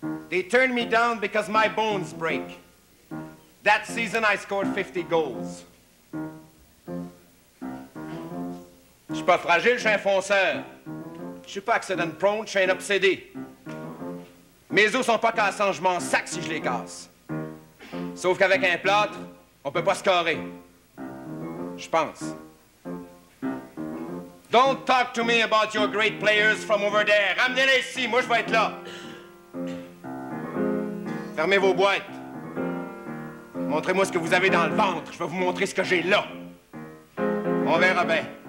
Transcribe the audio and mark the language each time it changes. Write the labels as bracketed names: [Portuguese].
[English] They turned me down because my bones break. That season I scored 50 goals. [French] Je suis pas fragile, je suis un fonceur. Je suis pas [English] accident prone, [French] je suis un obsédé. Mes os sont pas cassants, je m'en sac si je les casse. Sauf qu'avec un plâtre, on peut pas scorer. Je pense. [English] Don't talk to me about your great players from over there. [French] Ramenez-les ici, moi je vais être là. Fermez vos boîtes. Montrez-moi ce que vous avez dans le ventre. Je vais vous montrer ce que j'ai là. On verra bien.